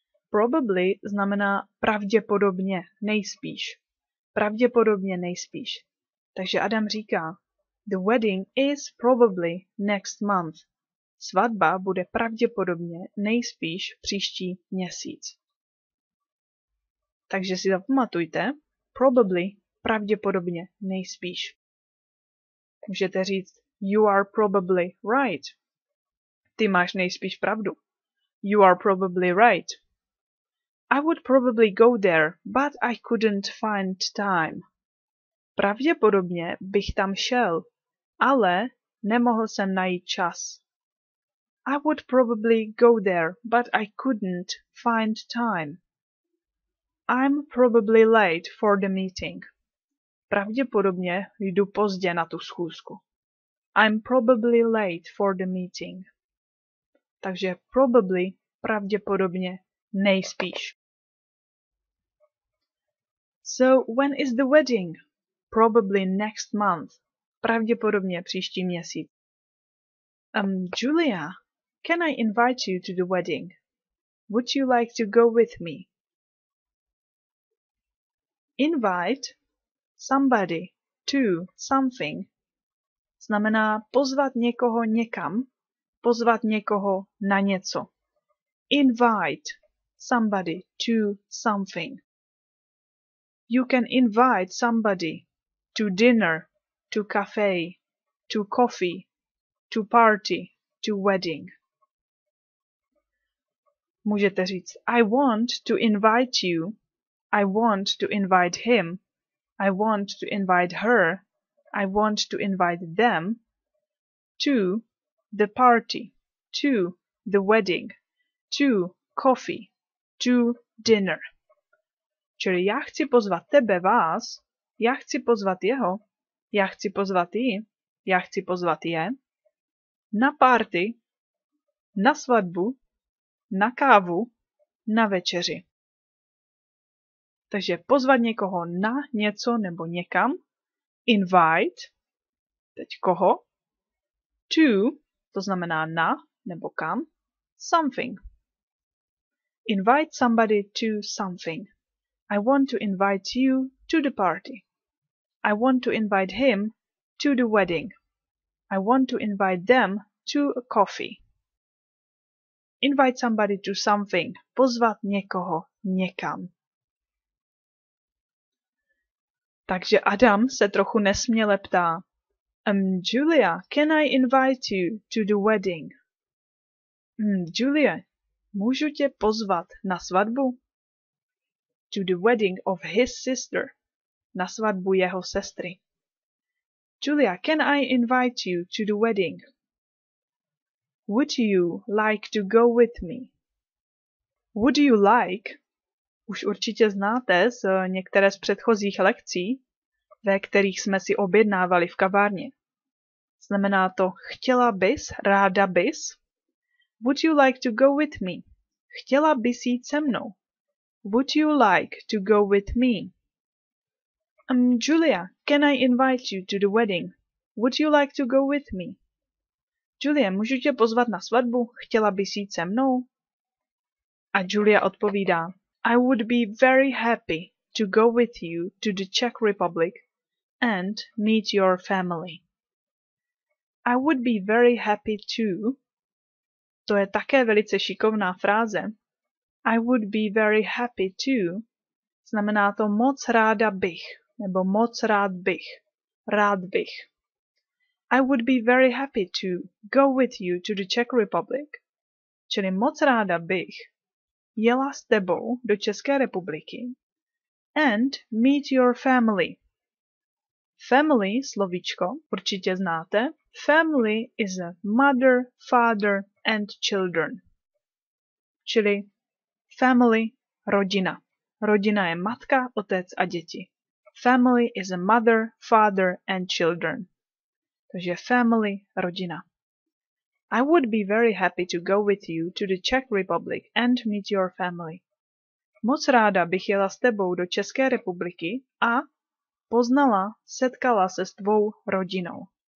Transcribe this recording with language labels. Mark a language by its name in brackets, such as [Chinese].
[Czech] Probably znamená pravděpodobně, nejspíš. Pravděpodobně, nejspíš. Takže Adam říká, [English] the wedding is probably next month. [Czech] Svatba bude pravděpodobně, nejspíš, příští měsíc. Takže si zapamatujte, probably, pravděpodobně, nejspíš. Můžete říct, [English] you are probably right. [Czech] Ty máš nejspíš pravdu. [English] You are probably right. I would probably go there, but I couldn't find time. [Czech] Pravděpodobně bych tam šel, ale nemohl jsem najít čas. [English] I would probably go there, but I couldn't find time. I'm probably late for the meeting. [Czech] Pravděpodobně jdu pozdě na tu schůzku. [English] I'm probably late for the meeting. [Czech] Takže probably, pravděpodobně, nejspíš. [English] So, when is the wedding? Probably next month. [Czech] Pravděpodobně příští měsíc. [English] Julia, can I invite you to the wedding? Would you like to go with me? Invite somebody to something [Czech] znamená pozvat někoho někam, pozvat někoho na něco. [English] Invite somebody to something. You can invite somebody to dinner, to cafe, to coffee, to party, to wedding. [Czech] Můžete říct, [English] I want to invite you, I want to invite him, I want to invite her, I want to invite them to the party, to the wedding, to coffee, to dinner. [Czech] Čili já chci pozvat tebe, vás, já chci pozvat jeho, já chci pozvat jí, já chci pozvat je, na party, na svatbu, na kávu, na večeři. Takže pozvat někoho na něco nebo někam, invite, teď koho, [English] to, [Czech] to znamená na nebo kam, [English] something. Invite somebody to something. I want to invite you to the party. I want to invite him to the wedding. I want to invite them to a coffee. Invite somebody to something. [Czech] Pozvat někoho někam. Takže Adam se trochu nesměle ptá. [English] Julia, can I invite you to the wedding? [Czech] Julia, můžu tě pozvat na svatbu? [English] To the wedding of his sister. [Czech] Na svatbu jeho sestry. [English] Julia, can I invite you to the wedding? Would you like to go with me? Would you like? [Czech] Už určitě znáte z některé z předchozích lekcí, ve kterých jsme si objednávali v kavárně. Znamená to, chtěla bys, ráda bys? [English] Would you like to go with me? [Czech] Chtěla bys jít se mnou? [English] Would you like to go with me? Julia, can I invite you to the wedding? Would you like to go with me? [Czech] Julia, můžu tě pozvat na svatbu? Chtěla bys jít se mnou? A Julia odpovídá, [English] I would be very happy to go with you to the Czech Republic and meet your family. I would be very happy to. [Czech] To je také velice šikovná fráze. [English] I would be very happy to. [Czech] Znamená to moc ráda bych, nebo moc rád bych, rád bych. [English] I would be very happy to go with you to the Czech Republic. [Czech] Čili moc ráda bych jela s tebou do České republiky. [English] And meet your family. [Czech] Family, slovíčko, určitě znáte. [English] Family is a mother, father and children. [Czech] Čili family, rodina. Rodina je matka, otec a děti. [English] Family is a mother, father and children. [Czech] Takže family, rodina. [English] I would be very happy to go with you to the Czech Republic and meet your family. [Czech] Moc ráda bych jela s tebou do České republiky a poznala, setkala se s tvou rodinou.